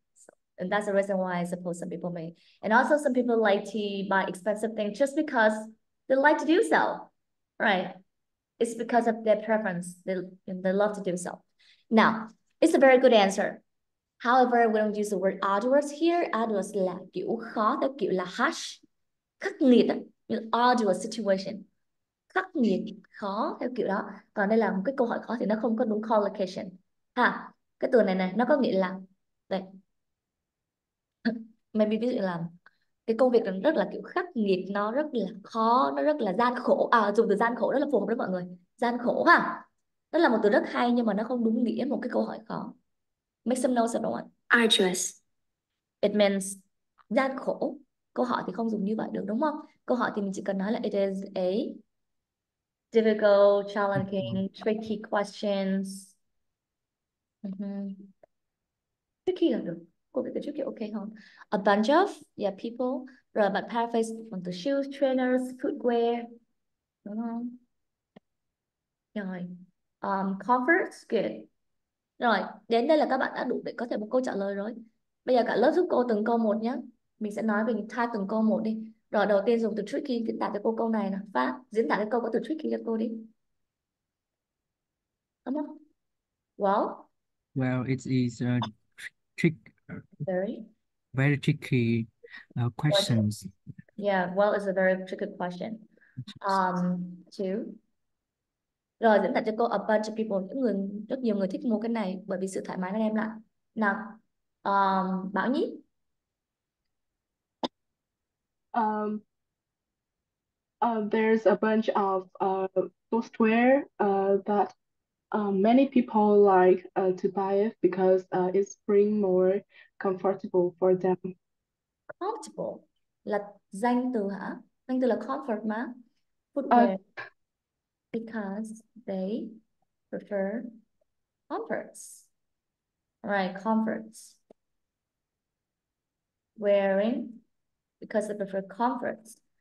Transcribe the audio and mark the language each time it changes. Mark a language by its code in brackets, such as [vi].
[en] So, and that's the reason why I suppose some people may. And also some people like to buy expensive things just because they like to do so, right? It's because of their preference. They love to do so. Now, it's a very good answer. However, we don't use the word arduous here. [vi] Arduous là kiểu khó, kiểu là harsh, khắc nghiệt, arduous situation. Khắc nghiệt, khó, theo kiểu đó. Còn đây là một cái câu hỏi khó thì nó không có đúng collocation. Ha, cái từ này này, nó có nghĩa là, đây. Maybe ví dụ là cái công việc nó rất là kiểu khắc nghiệt, nó rất là khó, nó rất là gian khổ. À, dùng từ gian khổ rất là phù hợp với mọi người. Gian khổ ha. Đó là một từ rất hay nhưng mà nó không đúng nghĩa một cái câu hỏi khó. [en] Make some notes, everyone. Arduous. It means [vi] gian khổ. Câu hỏi thì không dùng như vậy được, đúng không? Câu hỏi thì mình chỉ cần nói là [en] it is a difficult, challenging, tricky questions. [vi] Tricky là được. Câu việc tricky ok không? [en] A bunch of, yeah, people. [vi] Rồi bạn [en] paraphrase from the shoes, trainers, footwear. [vi] Đúng không? Rồi. [en] Comfort, good. [vi] Rồi, đến đây là các bạn đã đủ để có thể một câu trả lời rồi. Bây giờ cả lớp giúp cô từng câu một nhé. Mình sẽ nói về type từng câu một đi. Rồi đầu tiên dùng từ tricky diễn tả cho cô câu này nè. Phát, diễn tả cái câu có từ tricky cho cô đi. Đúng không? Well, [en] Well, it is a trick, very very tricky question. questions. Yeah, well is a very tricky question. Two. [vi] Rồi diễn tả cho cô a bunch of people, những người rất nhiều người thích mua cái này bởi vì sự thoải mái nó đem lại. Nào, Bảo Nhi. [en] There's a bunch of software that many people like to buy it because it's bring more comfortable for them. [vi] Comfortable là danh từ hả? Danh từ là [en] comfort mà. Footwear. Because they prefer comforts. Right, comforts. Wearing because they prefer comforts.